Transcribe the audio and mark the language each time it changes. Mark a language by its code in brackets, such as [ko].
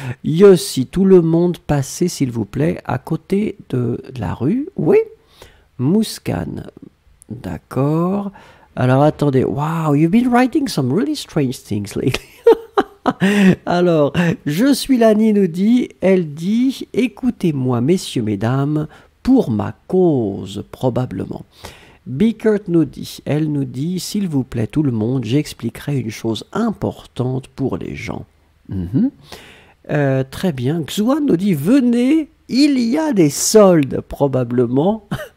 [fr] Yossi, tout le monde, passez s'il vous plaît à côté de la rue. Oui. Mouskan, d'accord. Alors attendez. [en] Wow, you've been writing some really strange things lately. [fr] Alors, je suis Lani, nous dit. Elle dit, écoutez-moi, messieurs, mesdames, pour ma cause, probablement. Bickert nous dit, elle nous dit, s'il vous plaît tout le monde, j'expliquerai une chose importante pour les gens. Mm-hmm. Très bien, Xuan nous dit, venez, il y a des soldes probablement.